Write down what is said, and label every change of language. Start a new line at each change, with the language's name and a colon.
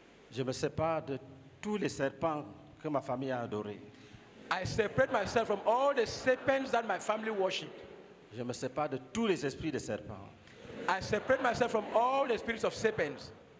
French: Je me sépare de tous les serpents que ma famille a adorés.
English: I separate myself from all the serpents that my family worshipped.
French: Je me sépare de tous les esprits de serpents.
English: I separate myself from all the spirits of serpents.